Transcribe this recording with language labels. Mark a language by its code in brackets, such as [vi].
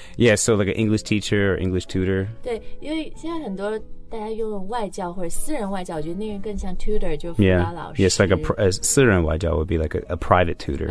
[en] yeah so like an English teacher or English tutor [zh] 对因为现在很多大家用外教或者私人外教我觉得那个更像 tutor 就辅导老师 [en] yeah, yes like a [zh] 私人外教 [en] would be like a private tutor